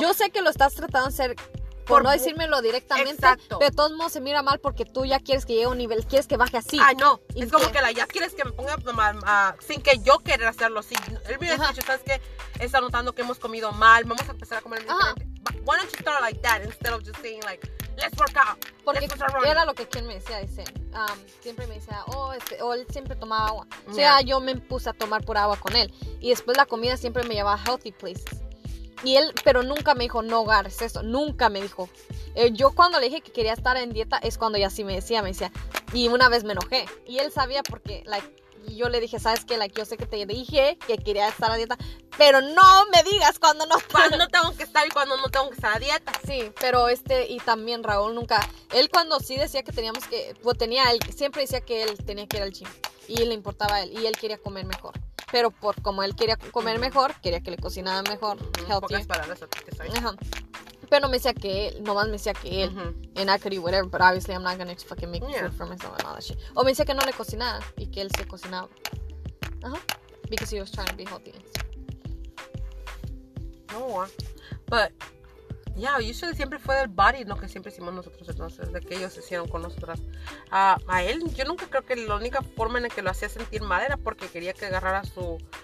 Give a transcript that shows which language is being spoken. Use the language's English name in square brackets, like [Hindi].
[Spanish] Yo sé que lo estás tratando de ser... Por no decírmelo directamente. Exacto. Pero de todos modos se mira mal porque tú ya quieres que llegue a un nivel, quieres que baje así. Ah, no. Es como que ya quieres que me ponga mal, sin que yo quiera hacerlo así. Él me ha dicho, ¿sabes qué? Está notando que hemos comido mal. Vamos a empezar a comer diferente. [English] Why don't you start like that instead of just saying like, let's work out. [Spanish] Porque [English] let's work out [Spanish] era lo que Ken me decía, dice. Siempre me decía, él siempre tomaba agua. O sea, yeah. Yo me puse a tomar pura agua con él. Y después la comida siempre me llevaba a [English] healthy places. [Spanish] Y él, pero nunca me dijo, no agarres eso. Nunca me dijo. Yo cuando le dije que quería estar en dieta, es cuando ya sí me decía. Y una vez me enojé. Y él sabía porque, like, yo le dije, ¿sabes qué? Like, yo sé que te dije que quería estar a dieta, pero no me digas cuando no estoy. Cuando tengo que estar y cuando no tengo que estar a dieta. Sí, pero y también Raúl nunca. Él cuando sí decía que teníamos que, pues tenía él, siempre decía que él tenía que ir al gym. Y le importaba a él. Y él quería comer mejor. Pero por como él quería comer mejor, quería que le cocinara mejor, healthy. Pocas palabras a ti que sabes. Pero no me decía que él, nomás me decía que él. [English] And I could eat whatever, but obviously I'm not gonna just fucking make food for myself and all that shit. [Spanish] O me decía que no le cocinaba y que él se cocinaba. [English] Because he was trying to be healthy. [Spanish] No. [English] But, yeah, usually [Spanish] siempre fue del body, lo que siempre hicimos nosotros, entonces, de que ellos hicieron con nosotras. A él, yo nunca creo que la única forma en la que lo hacía sentir mal era porque quería que agarrara su...